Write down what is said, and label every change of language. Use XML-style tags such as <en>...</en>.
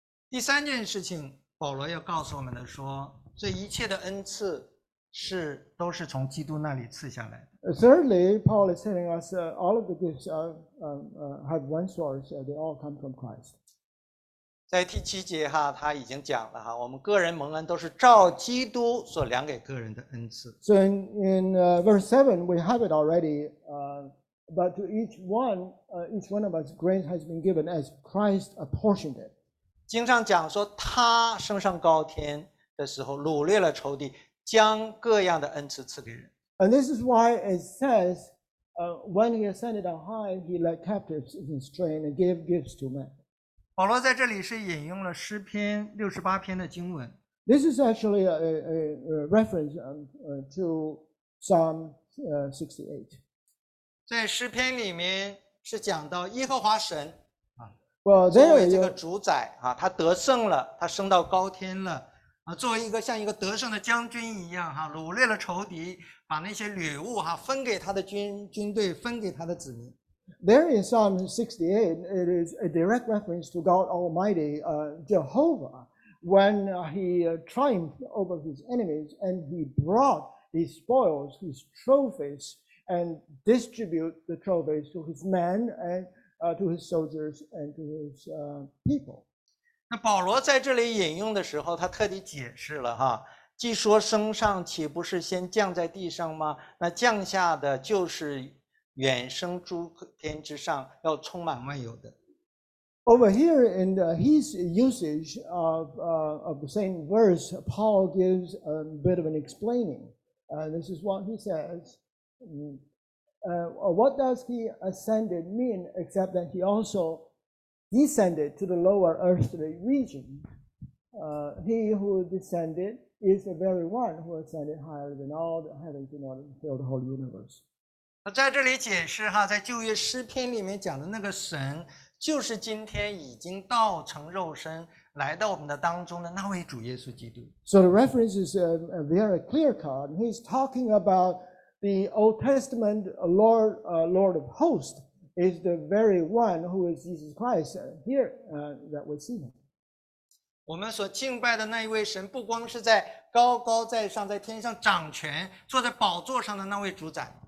<zh>第三件事情，保罗要告诉我们的说，这一切的恩赐是都是从基督那里赐下来的。</zh> <en>Thirdly, Paul is telling us all of the gifts have one source; they all come from Christ.</en> <zh>在第七节他已经讲了我们个人蒙恩都是照基督所量给个人的恩赐。</zh> <en>So in verse 7, we have it already. But to each one of us, grace has been given as Christ apportioned it.</en> <zh>经上讲说，他升上高天的时候，掳掠了仇敌。将各样的恩赐赐给人。</zh> <en>And this is why it says, when he ascended on high, he led captives in strain and gave gifts to men.</en> <zh>保罗在这里是引用了诗篇六十八篇的经文。</zh> <en>This is actually a reference to Psalm 68.</en> <zh>在诗篇里面是讲到耶和华神作为这个主宰他得胜了，他升到高天了。作为一个像一个得胜的将军一样掳掠了仇敌，把那些掠物分给他的 军队，分给他的子民。</zh> <en>There in Psalm 68, it is a direct reference to God Almighty, Jehovah, when he triumphed over his enemies and he brought his spoils, his trophies, and distributed the trophies to his men and to his soldiers and to his people.</en> <zh>那保罗在这里引用的时候，他特地解释了既说升上，岂不是先降在地上吗？那降下的就是远升诸天之上，要充满万有的。</zh> <en>Over here in his usage of the same verse, Paul gives a bit of an explaining. This is what he says. What does he ascended mean except that he also descended to the lower earthly region. He who descended is the very one who ascended higher than all the heavens in order to fill the whole universe.</en> <zh>在这里解释在旧约诗篇里面讲的那个神，就是今天已经道成肉身来到我们的当中的那位主耶稣基督。</zh> <en>So the reference is a very clear cut. He's talking about the Old Testament Lord of Hosts, is the very one who is Jesus Christ here that we see him.</en> <zh>我们所敬拜的那一位神不光是在高高在上在天上掌权坐在宝座上的那位主宰。</zh>